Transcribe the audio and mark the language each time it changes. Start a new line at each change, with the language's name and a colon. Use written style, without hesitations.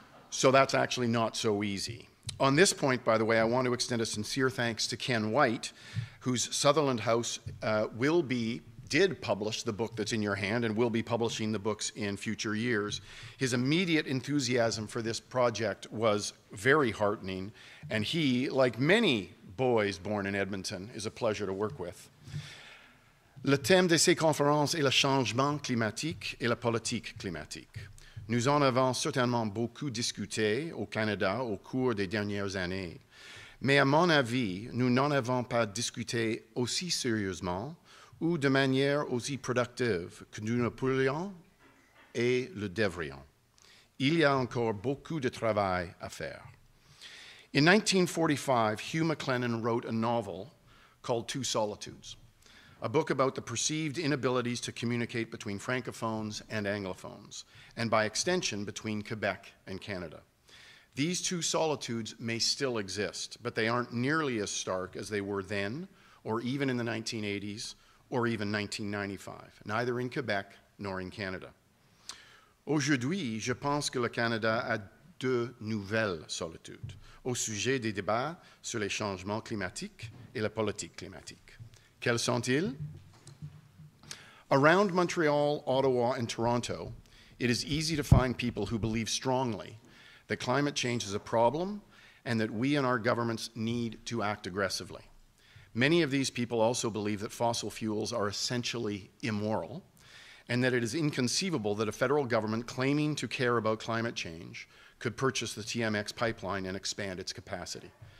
English: So that's actually not so easy. On this point, by the way, I want to extend a sincere thanks to Ken White, whose Sutherland House did publish the book that's in your hand and will be publishing the books in future years. His immediate enthusiasm for this project was very heartening, and he, like many boys born in Edmonton, is a pleasure to work with.
French: Le thème de ces conférences est le changement climatique et la politique climatique. Nous en avons certainement beaucoup discuté au Canada au cours des dernières années, mais à mon avis, nous n'en avons pas discuté aussi sérieusement ou de manière aussi productive que nous le pourrions et le devrions. Il y a encore beaucoup de travail à faire.
English: In 1945, Hugh McLennan wrote a novel called Two Solitudes, a book about the perceived inabilities to communicate between Francophones and Anglophones, and by extension, between Quebec and Canada. These two solitudes may still exist, but they aren't nearly as stark as they were then, or even in the 1980s, or even 1995, neither in Quebec nor in Canada.
French: Aujourd'hui, je pense que le Canada a deux nouvelles solitudes au sujet des débats sur les changements climatiques et la politique climatique. Quels sont-ils?
English: Around Montreal, Ottawa, and Toronto, it is easy to find people who believe strongly that climate change is a problem and that we and our governments need to act aggressively. Many of these people also believe that fossil fuels are essentially immoral and that it is inconceivable that a federal government claiming to care about climate change could purchase the TMX pipeline and expand its capacity.